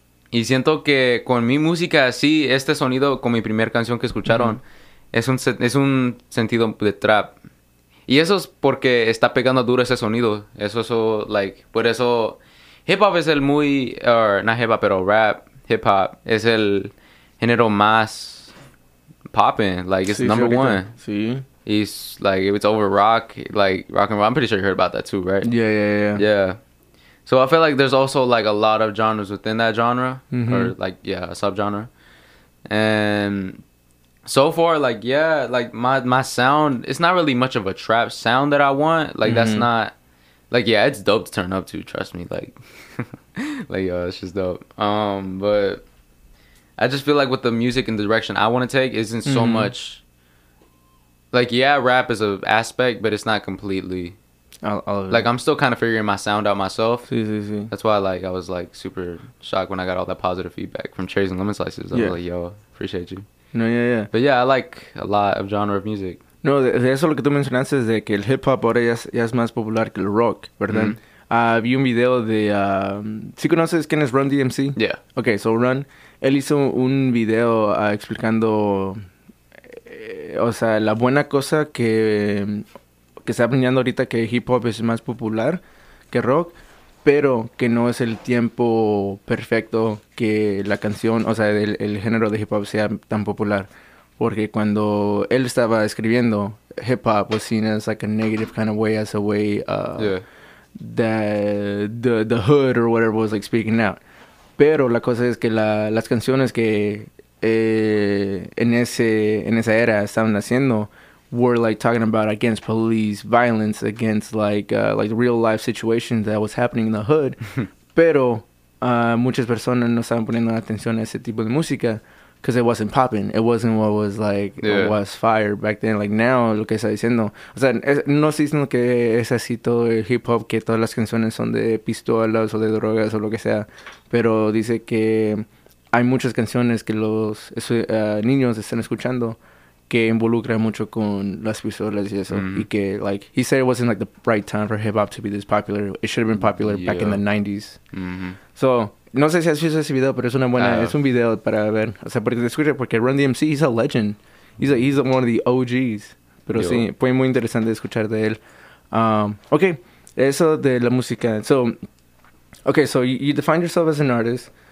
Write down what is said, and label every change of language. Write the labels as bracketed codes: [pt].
[es] Y siento que con mi música, sí, este sonido, con mi primera canción que escucharon, es un sentido de trap. Y eso es porque está pegando duro ese sonido. Por eso, hip hop es el muy, no hip hop, pero rap, hip hop, es el género más popping. [en] It's number one. [es] Sí. [en] It's if it's over rock, rock and roll, I'm pretty sure you heard about that too, right? Yeah. So I feel like there's also a lot of genres within that genre, a subgenre. And so far, my sound, it's not really much of a trap sound that I want. That's not, it's dope to turn up to, trust me. it's just dope. But I just feel like with the music and the direction I want to take isn't so much, rap is an aspect, but it's not completely... All of it. I'm still kind of figuring my sound out myself. [es] Sí. [en] That's why I was super shocked when I got all that positive feedback from Cherries and Lemon Slices. I was like, yo, appreciate you. No. But yeah, I like a lot of genre of music. [es] No, de eso lo que tú mencionaste es de que el hip hop ahora ya es más popular que el rock, ¿verdad? Vi un video de... ¿Sí conoces quién es Run DMC? [en] Yeah. Okay, so [es] Run, él hizo un video explicando... la buena cosa que está aprendiendo ahorita que hip hop es más popular que rock, pero que no es el tiempo perfecto que la canción, el género de hip hop sea tan popular. Porque cuando él estaba escribiendo, [en] hip hop was seen as a negative kind of way, as a way the hood or whatever was speaking out. [es] Pero la cosa es que las canciones que en esa era estaban haciendo... [en] were talking about against police violence, against like real life situations that was happening in the hood. [es] Pero muchas personas no estaban poniendo atención a ese tipo de música [en] because it wasn't popping. It wasn't what was was fire back then. [es] Now, lo que está diciendo, no estoy diciendo que es así todo el hip hop, que todas las canciones son de pistolas o de drogas o lo que sea. Pero dice que hay muchas canciones que los niños están escuchando que involucra mucho con las pistolas y eso. Y que, [en] he said it wasn't the right time for hip-hop to be this popular. It should have been popular back in the 90s. [es] So, no sé si has visto ese video, pero es una buena... Es un video para ver. Porque te escucha, porque [en] Run DMC, he's a legend. He's one of the OGs. [es] Pero sí, fue muy interesante escuchar de él. Okay, eso de la música. [en] So you define yourself as an artist.